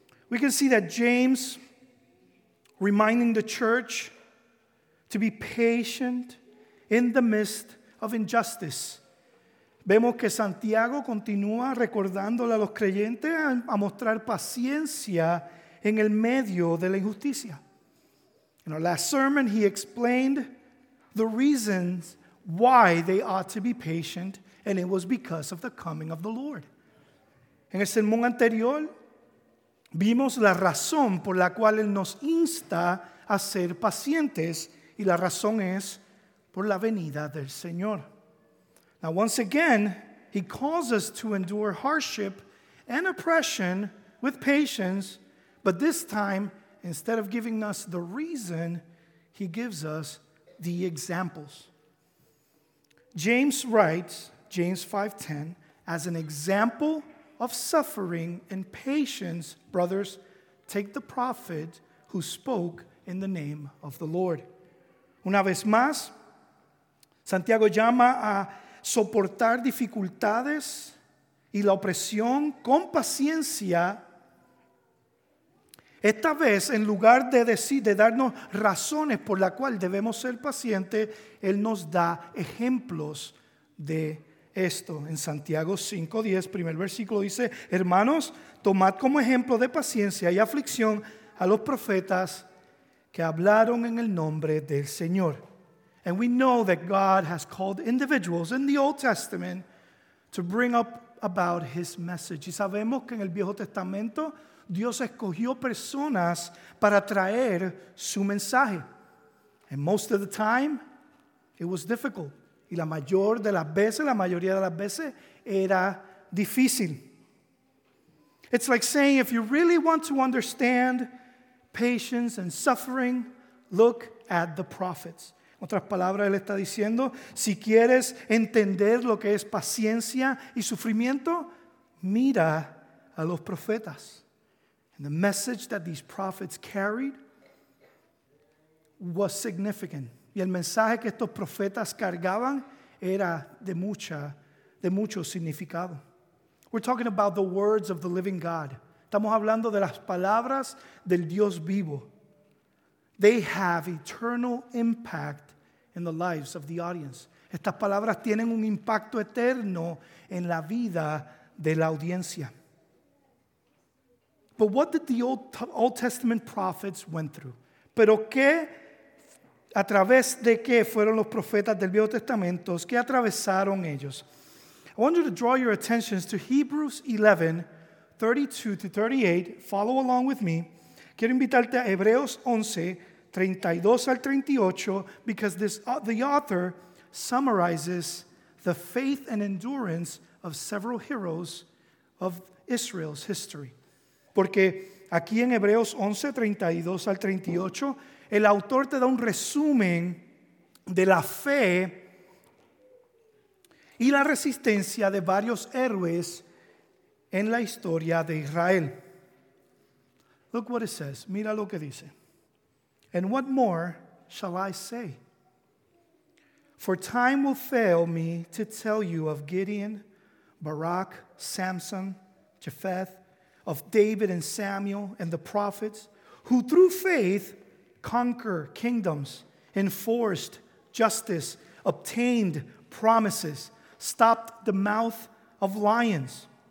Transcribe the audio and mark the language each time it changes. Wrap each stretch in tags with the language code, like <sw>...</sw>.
<en>We can see that James reminding the church to be patient in the midst of injustice.</en> <es>Vemos que Santiago continúa recordándole a los creyentes a mostrar paciencia en el medio de la injusticia.</es> <en>In our last sermon, he explained the reasons why they ought to be patient, and it was because of the coming of the Lord.</en> <es>En el sermón anterior, vimos la razón por la cual él nos insta a ser pacientes, y la razón es por la venida del Señor.</es> <en>Now, once again, he calls us to endure hardship and oppression with patience, but this time, instead of giving us the reason, he gives us the examples. James writes, James 5:10, as an example of suffering and patience, brothers, take the prophet who spoke in the name of the Lord.</en> <es>Una vez más, Santiago llama a soportar dificultades y la opresión con paciencia. Esta vez, en lugar de decir, de darnos razones por la cual debemos ser pacientes, él nos da ejemplos de esto. En Santiago 5:10, primer versículo dice, hermanos, tomad como ejemplo de paciencia y aflicción a los profetas que hablaron en el nombre del Señor.</es> <en>And we know that God has called individuals in the Old Testament to bring up about his message.</en> <es>Y sabemos que en el Viejo Testamento Dios escogió personas para traer su mensaje.</es> <en>And most of the time, it was difficult.</en> <es>Y la mayoría de las veces, era difícil.</es> <en>It's like saying, if you really want to understand patience and suffering, look at the prophets.</en> <es>En otras palabras, él está diciendo, si quieres entender lo que es paciencia y sufrimiento, mira a los profetas.</es> <en>And the message that these prophets carried was significant.</en> <es>Y el mensaje que estos profetas cargaban era de mucho significado.</es> <en>We're talking about the words of the living God.</en> <es>Estamos hablando de las palabras del Dios vivo.</es> <en>They have eternal impact in the lives of the audience.</en> <es>Estas palabras tienen un impacto eterno en la vida de la audiencia.</es> <en>But what did the Old Testament prophets went through?</en> <es>Pero qué, a través de qué fueron los profetas del Viejo Testamento, qué atravesaron ellos?</es> <en>I want you to draw your attention to Hebrews 11, 32 to 38. Follow along with me.</en> <es>Quiero invitarte a Hebreos 11, 32 al 38,</es> <en>because the author summarizes the faith and endurance of several heroes of Israel's history.</en> <es>Porque aquí en Hebreos 11, 32 al 38, el autor te da un resumen de la fe y la resistencia de varios héroes en la historia de Israel.</es> <en>Look what it says.</en> <es>Mira lo que dice.</es> <en>And what more shall I say? For time will fail me to tell you of Gideon, Barak, Samson, Jephthah, of David and Samuel and the prophets, who through faith conquered kingdoms, enforced justice, obtained promises, stopped the mouth of lions,</en>